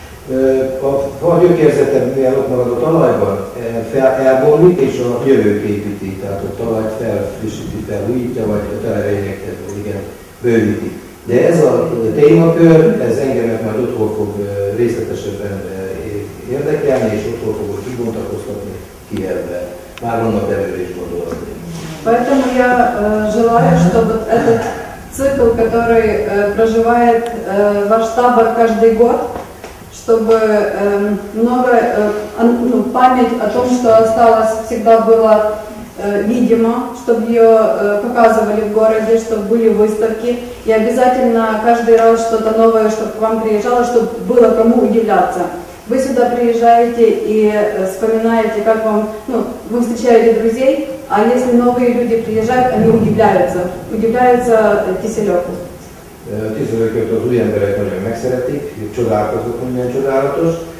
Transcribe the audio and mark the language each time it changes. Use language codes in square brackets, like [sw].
[hu] A gyökérzete, mivel ott marad a talajban, elbomlik és a jövőt építi, tehát a talajt felfrissíti, felújítja, vagy a televényeket, igen, bővíti. De ez a témakör, ez engemet már otthon fog részletesebben érdekelni, és otthon fog kibontakoztatni ki ebbe. Már vannak előre is gondolatni. [ru] Поэтому я желаю, чтобы этот цикл, который проживает ваш табор каждый год, чтобы много память о том, что осталось, всегда было видимо, чтобы ее показывали в городе, чтобы были выставки. И обязательно каждый раз что-то новое, чтобы к вам приезжало, чтобы было кому удивляться. Вы сюда приезжаете и вспоминаете, как вам, ну, вы встречаете друзей, а если новые люди приезжают, они удивляются. Удивляются Киселёку. [hu] Киселёкёт az új emberek nagyon megszeretik, csodálkozók, minden csodálatos.